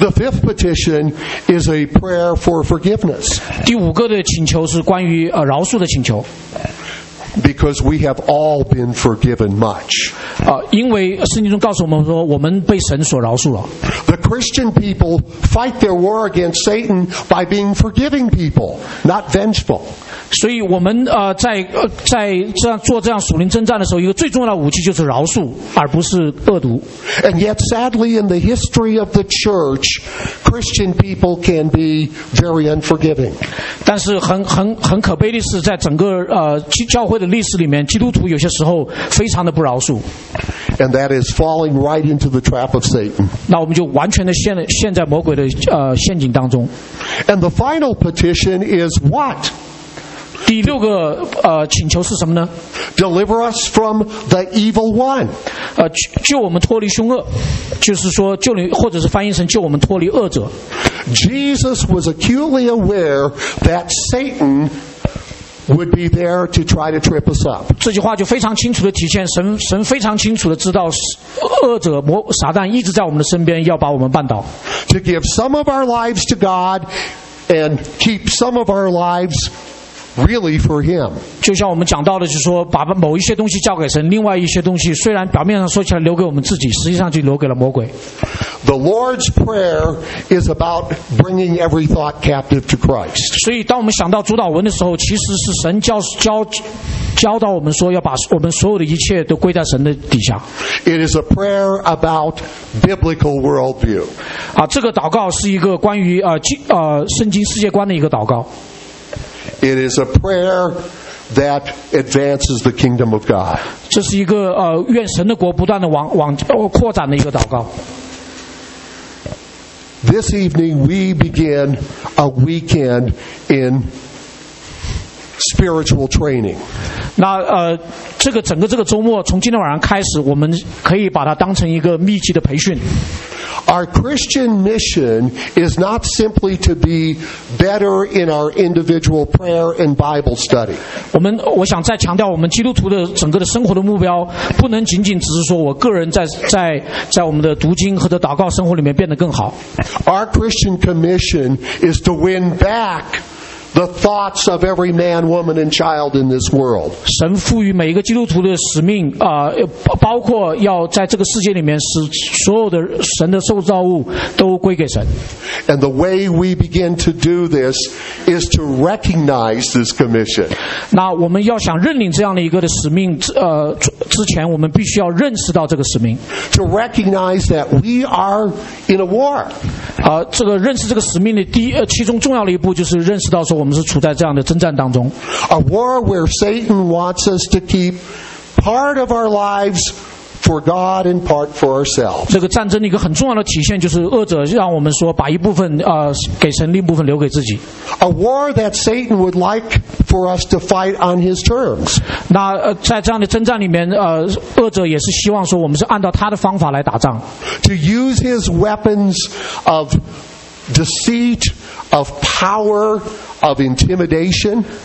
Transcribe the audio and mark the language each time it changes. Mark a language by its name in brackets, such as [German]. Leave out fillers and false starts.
[English] The fifth petition is a prayer for forgiveness. [Chinese] 第五个的请求是关于饶恕的请求。 [English] Because we have all been forgiven much. [Chinese] 因为圣经中告诉我们说，我们被神所饶恕了。 [English] The Christian people fight their war against Satan by being forgiving people, not vengeful. [Chinese] 所以我们在这样做这样属灵征战的时候，一个最重要的武器就是饶恕，而不是恶毒。 [English] And yet, sadly, in the history of the church, Christian people can be very unforgiving. [Chinese] 但是很可悲的是，在整个教会的历史里面，基督徒有些时候非常的不饶恕。 [English] And that is falling right into the trap of Satan. [Chinese] 那我们就完全的陷在魔鬼的陷阱当中。 [English] And the final petition is what? [Chinese] 第六个请求是什么呢？ [English] Deliver us from the evil one. [Chinese] 救我们脱离凶恶，就是说救你，或者是翻译成救我们脱离恶者。 [English] Jesus was acutely aware that Satan. Would be there to try to trip us up. [Chinese] 这句话就非常清楚地体现神非常清楚地知道恶者撒旦一直在我们的身边，要把我们绊倒。 [English] To give some of our lives to God and keep some of our lives really for Him. [Chinese] 就像我们讲到的，就是说把某一些东西交给神，另外一些东西虽然表面上说起来留给我们自己，实际上就留给了魔鬼。 [English] The Lord's Prayer is about bringing every thought captive to Christ. [Chinese] 所以当我们想到主导文的时候，其实是神教导我们说要把我们所有的一切都归在神的底下。 [English] It is a prayer about biblical worldview. [Chinese] 这个祷告是一个关于圣经世界观的一个祷告。 [English] It is a prayer that advances the kingdom of God. [Chinese] 这是一个愿神的国不断的往扩展的一个祷告。 [English] This evening we begin a weekend in spiritual training. [Chinese] 那这个整个这个周末从今天晚上开始，我们可以把它当成一个密集的培训。 [English] Our Christian mission is not simply to be better in our individual prayer and Bible study. [Chinese] 我想再强调，我们基督徒的整个的生活的目标，不能仅仅只是说我个人在我们的读经和的祷告生活里面变得更好。 [English] Our Christian commission is to win back the thoughts of every man, woman, and child in this world. [Chinese] 神赋予每一个基督徒的使命，包括要在这个世界里面使所有的神的受造物都归给神。 [English] And the way we begin to do this is to recognize this commission. [Chinese] 那我们要想认领这样的一个的使命，之前我们必须要认识到这个使命。 [English] To recognize that we are in a war. [Chinese] 这个认识这个使命的其中重要的一步就是认识到。说我们是处在这样的征战当中。 [English] A war where Satan wants us to keep part of our lives for God and part for ourselves. [Chinese] 这个战争的一个很重要的体现就是恶者让我们说把一部分给神，另一部分留给自己。 [English] A war that Satan would like for us to fight on his terms. [Chinese] 那在这样的征战里面，恶者也是希望说我们是按照他的方法来打仗。 [English] To use his weapons of deceit. of power, of intimidation.